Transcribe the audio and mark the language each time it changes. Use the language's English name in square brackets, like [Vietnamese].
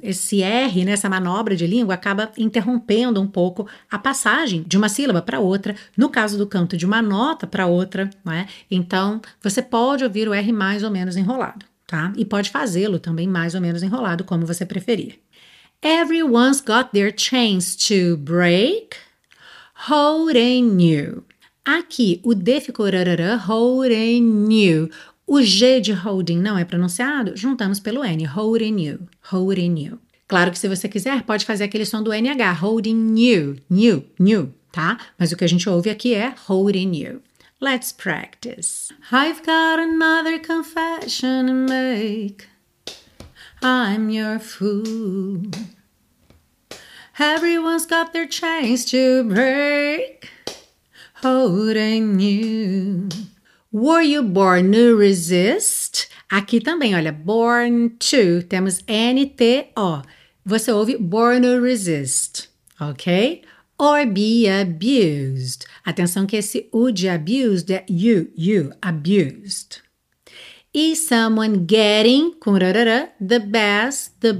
[Portuguese] Esse R nessa manobra de língua acaba interrompendo um pouco a passagem de uma sílaba para outra, no caso do canto, de uma nota para outra, não é? Então, você pode ouvir o R mais ou menos enrolado, tá? E pode fazê-lo também mais ou menos enrolado, como você preferir. [English] Everyone's got their chance to break, holding you. [Portuguese] Aqui, o D ficou rarara, [English] holding you. [Portuguese] O G de holding não é pronunciado? Juntamos pelo N, [English] holding you, holding you. [Portuguese] Claro que se você quiser, pode fazer aquele som do NH, [English] holding you, new, new, [Portuguese] tá? Mas o que a gente ouve aqui é [English] holding you. Let's practice. I've got another confession to make. I'm your fool. Everyone's got their chains to break, holding you. Were you born to resist? [Portuguese] Aqui também, olha, [English] born to, [Portuguese] temos NTO. Você ouve [English] born to resist, ok? Or be abused. [Portuguese] Atenção que esse U de abused é you, abused. [English] Is someone getting, [Portuguese] com rarara, [English] the best.